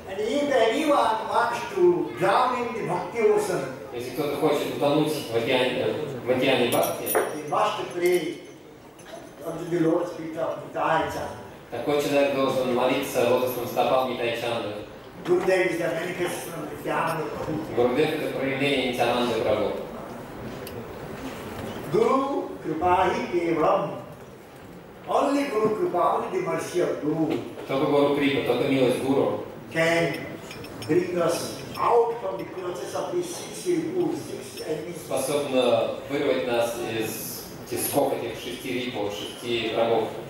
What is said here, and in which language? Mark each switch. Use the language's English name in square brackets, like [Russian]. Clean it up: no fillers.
[English] If anyone wants to drown in the bhakti ocean, [Russian] если кто-то хочет утонуть в океане бхакти, [English] he must pray unto the Lord's feet of Nitaichandra. [Russian] Такой человек должен молиться лотосным стопам Нитаичандры. [English] Гурудев is the manifestation of Nityananda Prabhu. [Russian] Гурудев это проявление Нитаичандры Прабху. [Sanskrit] Guru Kripa hi kevalam. [English] Only Guru Kripa, only the mercy of Guru. [Russian] Только Гуру Крипа, только милость Гуру. [English] Can bring us out from the clutches of these six-year rules, six enemies. [Russian] Способна вырвать нас из тисков этих шести рипов, шести врагов.